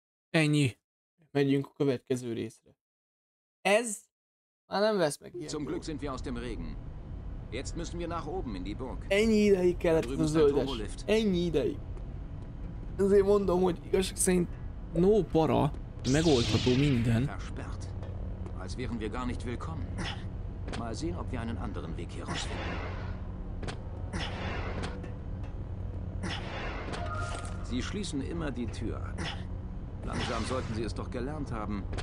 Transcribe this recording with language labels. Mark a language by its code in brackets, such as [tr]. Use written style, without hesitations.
[hu] Ennyi. Megyünk a következő részre. Ez már nem vesz meg ilyen. [de] Zum Glück sind wir aus dem Regen. Jetzt müssen wir nach oben in die Burg. [hu] Ennyi ideig kellett ez a zöldes. Ennyi ideig. Ezért mondom, hogy igazság szerint no para, megoldható minden. [de] Versperrt. Als wären wir gar nicht willkommen. Mal sehen, ob wir einen anderen Weg hier rausfinden. Sie schließen immer die Tür. Langsam sollten sie es doch gelernt haben.